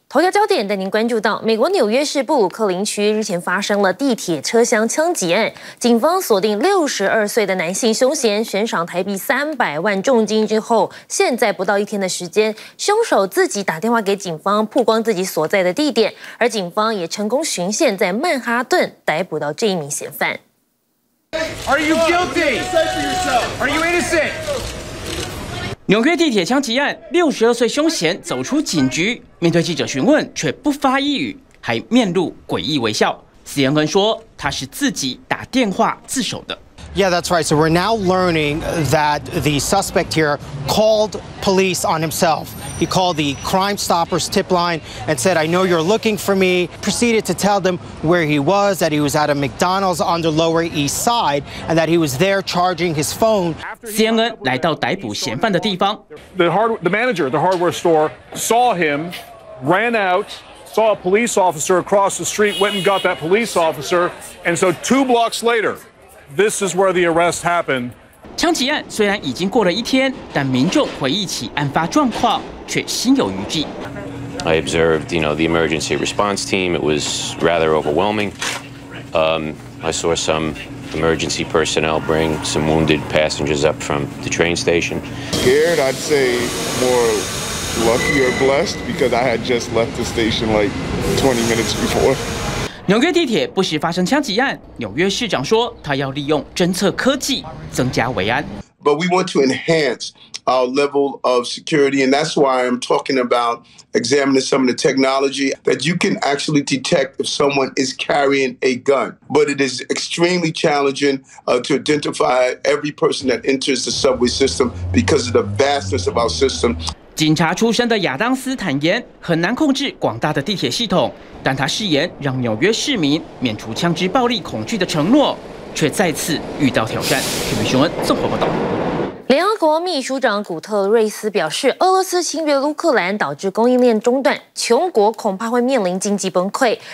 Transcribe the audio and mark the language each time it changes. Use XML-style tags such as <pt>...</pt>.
<zh>头条焦点带您关注到，美国纽约市布鲁克林区日前发生了地铁车厢枪击案，警方锁定62岁的男性凶嫌，悬赏台币300万重金之后，现在不到一天的时间，凶手自己打电话给警方，曝光自己所在的地点，而警方也成功巡线在曼哈顿逮捕到这一名嫌犯。</zh> <en>Are you guilty? Are you innocent?</en> <zh>纽约地铁枪击案，62岁凶嫌走出警局，面对记者询问却不发一语，还面露诡异微笑。 CNN说他是自己打电话自首的。</zh> <en>Yeah, that's right. So we're now learning that the suspect here called police on himself. He called the Crime Stoppers tip line and said, "I know you're looking for me." Proceeded to tell them where he was, that he was at a McDonald's on the Lower East Side, and that he was there charging his phone.</en> <zh>CNN 来到逮捕嫌犯的地方。</zh> <en>The manager, the hardware store, saw him, ran out. Saw a police officer across the street, went and got that police officer, and so 2 blocks later, this is where the arrest happened.</en> <zh>枪击案虽然已经过了一天，但民众回忆起案发状况却心有余悸。</zh> <en>I observed, you know, the emergency response team. It was rather overwhelming. I saw some emergency personnel bring some wounded passengers up from the train station. Scared, I'd say more. Lucky or blessed, because I had just left the station like 20 minutes before.</en> <zh>纽约地铁不时发生枪击案。纽约市长说，他要利用侦测科技增加维安。</zh> <en>But we want to enhance our level of security, and that's why I'm talking about examining some of the technology that you can actually detect if someone is carrying a gun. But it is extremely challenging to identify every person that enters the subway system because of the vastness of our system.</en> <zh>警察出身的亚当斯坦言，很难控制广大的地铁系统，但他誓言让纽约市民免除枪支暴力恐惧的承诺，却再次遇到挑战。 TVBS新闻综合报道。联合国秘书长古特瑞斯表示，俄罗斯侵略乌克兰导致供应链中断，穷国恐怕会面临经济崩溃。</zh>